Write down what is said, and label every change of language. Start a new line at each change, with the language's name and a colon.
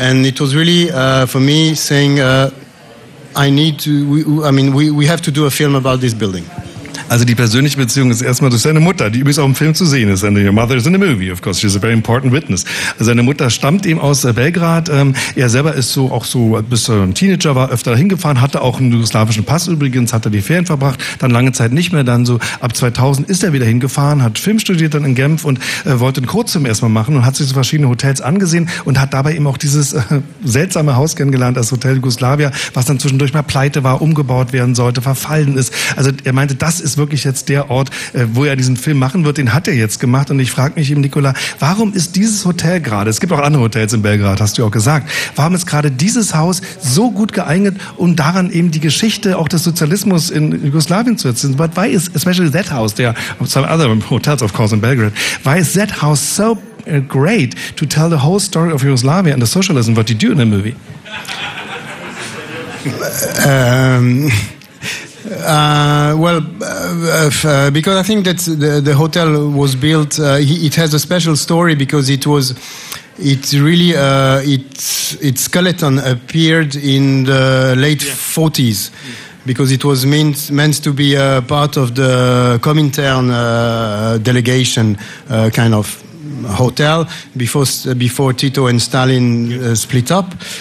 English: And it was really, for me, saying, we have to do a film about this building.
German: Also die persönliche Beziehung ist erstmal durch seine Mutter, die übrigens auch im Film zu sehen ist.
English: And your mother is in the movie, of course. She's a very important witness.
German: Seine Mutter stammt eben aus Belgrad. Er selber ist bis er ein Teenager war, öfter hingefahren, hatte auch einen jugoslawischen Pass übrigens, hat er die Ferien verbracht, dann lange Zeit nicht mehr. Dann so ab 2000 ist er wieder hingefahren, hat Film studiert dann in Genf und wollte einen Kurzfilm erstmal machen und hat sich so verschiedene Hotels angesehen und hat dabei eben auch dieses seltsame Haus kennengelernt, das Hotel Jugoslavia, was dann zwischendurch mal pleite war, umgebaut werden sollte, verfallen ist. Also er meinte, das ist wirklich jetzt der Ort, wo er diesen Film machen wird, den hat er jetzt gemacht. Und ich frage mich eben, Nicola, warum ist dieses Hotel gerade, es gibt auch andere Hotels in Belgrad, hast du auch gesagt, warum ist gerade dieses Haus so gut geeignet, um daran eben die Geschichte auch des Sozialismus in Jugoslawien zu erzählen?
English: But why is especially that house, there are some other hotels, of course, in Belgrade, why is that house so great to tell the whole story of Yugoslavia and the socialism, what you do in the movie? Because I think that the hotel was built, it has a special story because its skeleton appeared in the late 40s, because it was meant to be a part of the Comintern delegation kind of hotel before Tito and Stalin split up.